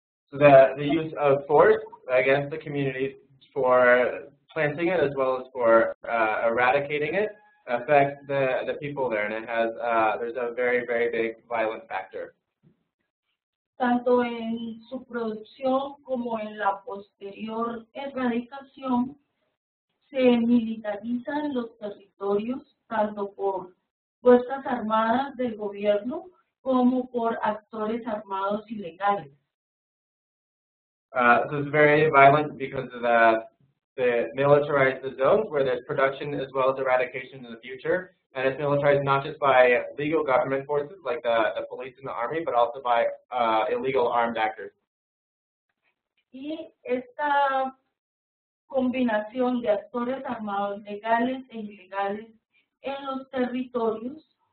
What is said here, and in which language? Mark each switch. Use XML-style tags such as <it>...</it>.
<en>So the use of force against the communities for planting it as well as for eradicating it affects the people there, and it has there's a very, very big violent factor.</en> <es>Tanto en su producción como en la posterior erradicación se militarizan los territorios tanto por fuerzas armadas del gobierno como por actores armados ilegales.</es> <en>So it's very violent because of the militarized zones where there's production as well as eradication in the future. And it's militarized not just by legal government forces like the police and the army, but also by illegal armed actors.</en> <es>Y esta combinación de actores armados legales e ilegales en los territorios</es>